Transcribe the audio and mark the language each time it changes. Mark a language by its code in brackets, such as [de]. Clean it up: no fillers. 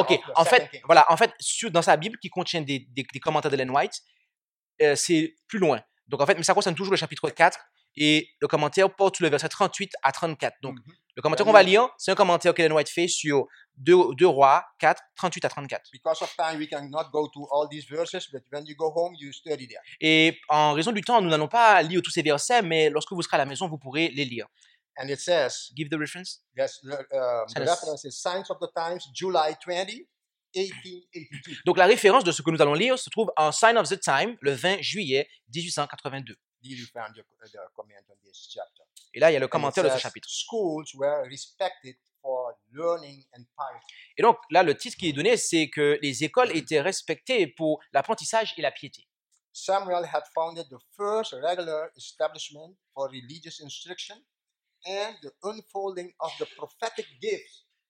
[fr] OK, en fait, voilà, en fait, dans sa Bible qui contient des commentaires d'Ellen White, c'est plus loin. Donc, en fait, mais ça concerne toujours le chapitre 4 et le commentaire porte le verset 38 à 34. Donc, le commentaire qu'on va lire, c'est un commentaire qu'Ellen White fait sur 2 Rois 4, 38 à 34. [en] Because of time, we cannot go to all these verses, but when you go home, you study there. [fr] Et en raison du temps, nous n'allons pas lire tous ces versets, mais lorsque vous serez à la maison, vous pourrez les lire. [en] And it says, give the reference. Yes, the reference is Signs of the Times, July 20, 1882. [fr] Donc la référence de ce que nous allons lire se trouve en Sign of the Time, le 20 juillet 1882. [en] Did you find the comment on this chapter? [fr] Et là, il y a le commentaire de ce chapitre. [en] Schools were respected for learning and piety. [fr] Et donc là, le titre qui est donné, c'est que les écoles étaient respectées pour l'apprentissage et la piété. [en] Samuel had founded the first regular establishment for religious instruction. And the unfolding of the prophetic gifts.